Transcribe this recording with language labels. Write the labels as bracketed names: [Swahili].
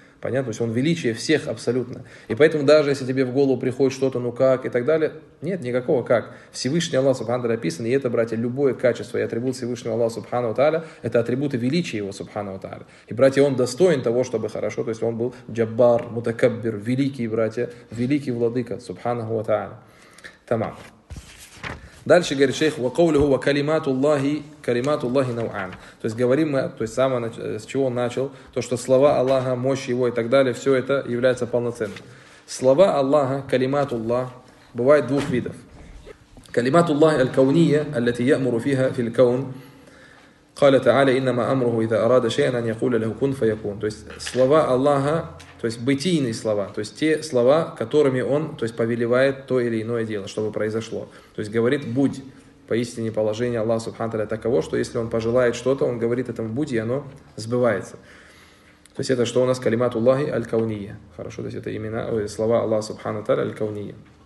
[Russian] понятно то есть он величие всех абсолютно и поэтому даже если тебе в голову приходит что-то ну как и так далее нет никакого как Всевышний Аллах субхан таля описан и это братья любое качество и атрибут Всевышнего Аллаха субхана таля это атрибуты величия его субхана таля и братья он достоин того чтобы хорошо то есть он был джаббар мутакаббир великие братья, великий владыка, субханаху ва тааля. Тамам. Дальше говорит шейх, [Arabic] ва каулюху ва калимату Аллахи науан. [Russian] То есть говорим мы, то есть самое, с чего он начал, то, что слова Аллаха, мощь его и так далее, все это является полноценным. Слова Аллаха, калимату Аллах, бывает двух видов. [Arabic] Калимату Аллахи аль-кауния, аль-лати ямуру фиха фил-каун, قال تعالى إنما أمره إذا أراد شيئا أن يقول له كن فيكون. [Russian] То есть слова Аллаха, то есть бытийные слова, то есть те слова, которыми Он, то есть повелевает то или иное дело, чтобы произошло. То есть говорит будь. Поистине положение Аллаха субхана тааля таково, что если Он пожелает что-то, Он говорит этому будь, и оно сбывается. То есть это что у нас калимату Аллахи аль-кауния. Хорошо, то есть это имена, слова Аллаха субхана тааля аль-кауния.